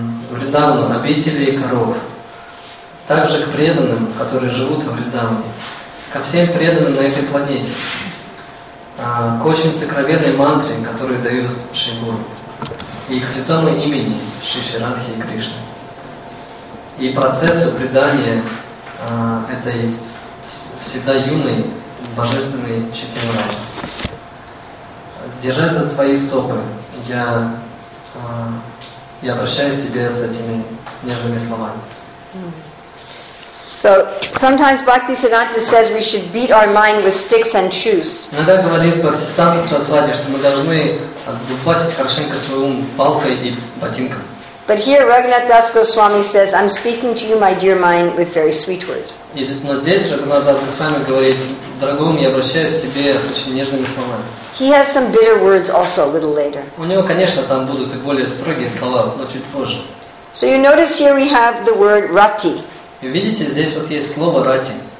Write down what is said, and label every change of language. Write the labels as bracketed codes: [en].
[ru] Вриндавану обители и коров, также к преданным, которые живут во Вриндаване, ко всем преданным на этой планете, к очень сокровенной мантре, которую дают Шри Гуру, и к святому имени Шри Радхи и Кришны, и процессу предания этой всегда юный, божественный Читимураджа. Держась за твои стопы, я обращаюсь к тебе с этими нежными словами. [en] So sometimes Bhakti Siddhanta says we should beat our mind with sticks and shoes. [ru] Иногда говорит Бхакти Сиддханта Сарасвати, что мы должны отбивать хорошенько свой ум палкой и ботинком. [en] But here Raghunath Das Goswami says, I'm speaking to you, my dear mind, with very sweet words. [ru] Но здесь Раганат Дас Госвами говорит, дорогой, я обращаюсь к тебе с очень нежными словами. [en] He has some bitter words also a little later. [ru] У него, конечно, там будут и более строгие слова, но чуть позже. [en] So you notice here we have the word rati. [ru] Вы видите, здесь вот есть слово рати.